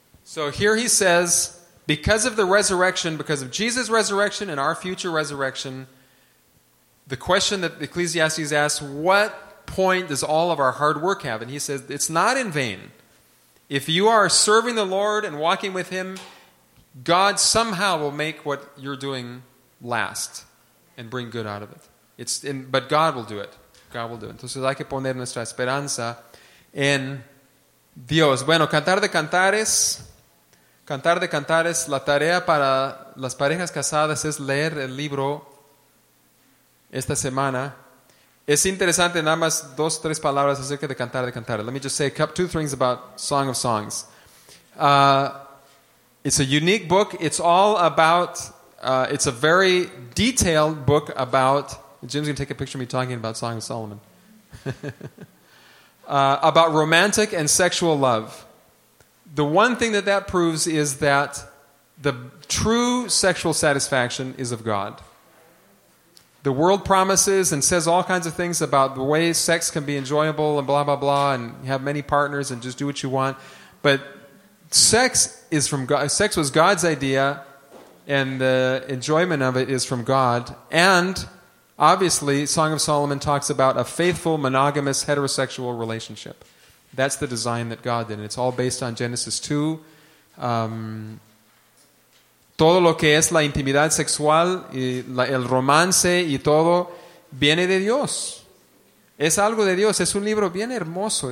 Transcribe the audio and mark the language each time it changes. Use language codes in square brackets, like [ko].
[en] So here he says, because of the resurrection, because of Jesus' resurrection and our future resurrection, the question that Ecclesiastes asks, what point does all of our hard work have? And he says, it's not in vain. If you are serving the Lord and walking with Him, God somehow will make what you're doing last and bring good out of it. But God will do it. God will do it. [es] Entonces hay que poner nuestra esperanza en Dios. Bueno, cantar de cantares, la tarea para las parejas casadas es leer el libro esta semana. Es interesante, nada más dos, tres palabras acerca de cantar de cantares. [en] Let me just say two things about Song of Songs. It's a unique book. It's all about, it's a very detailed book about, Jim's going to take a picture of me talking about Song of Solomon. about romantic and sexual love. The one thing that proves is that the true sexual satisfaction is of God. The world promises and says all kinds of things about the way sex can be enjoyable and blah, blah, blah, and you have many partners and just do what you want. But sex is from God. Sex was God's idea, and the enjoyment of it is from God. And obviously, Song of Solomon talks about a faithful, monogamous, heterosexual relationship. That's the design that God did. And it's all based on Genesis 2. [es] Todo lo que es la intimidad sexual y el romance y todo viene de Dios. Es algo de Dios. Es un libro bien hermoso.